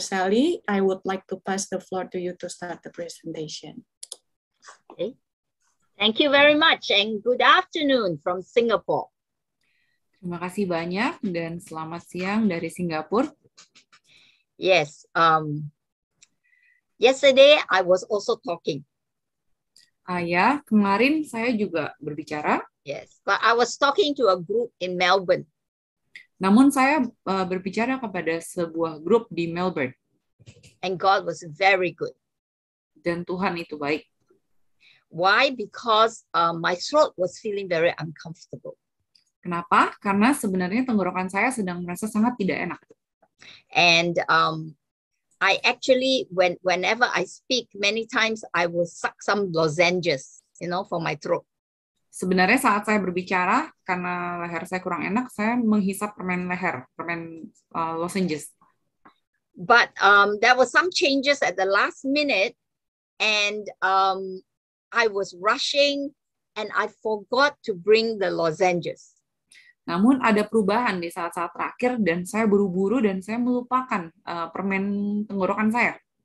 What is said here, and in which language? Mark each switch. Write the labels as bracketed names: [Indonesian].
[English] Sally, I would like to pass the floor to you to start the presentation. Okay. Thank you very much and good afternoon from Singapore. [Indonesian] Terima kasih banyak dan selamat siang dari Singapura. [English] Yes. Yesterday I was also talking. [Indonesian] Ya, kemarin saya juga berbicara. [English] Yes, but I was talking to a group in Melbourne. [Indonesian] Namun saya berbicara kepada sebuah grup di Melbourne. [English] And God was very good. [Indonesian] Dan Tuhan itu baik. [English] Why? Because my throat was feeling very uncomfortable. [Indonesian] Kenapa? Karena sebenarnya tenggorokan saya sedang merasa sangat tidak enak. [English] And I actually whenever I speak many times I will suck some lozenges, you know, for my throat. [Indonesian] Sebenarnya saat saya berbicara karena leher saya kurang enak, saya menghisap permen leher, permen lozenges. [English] But there was some changes at the last minute and I was rushing and I forgot to bring the lozenges. [Indonesian] Namun ada perubahan di saat-saat terakhir dan saya buru-buru dan saya melupakan permen tenggorokan saya.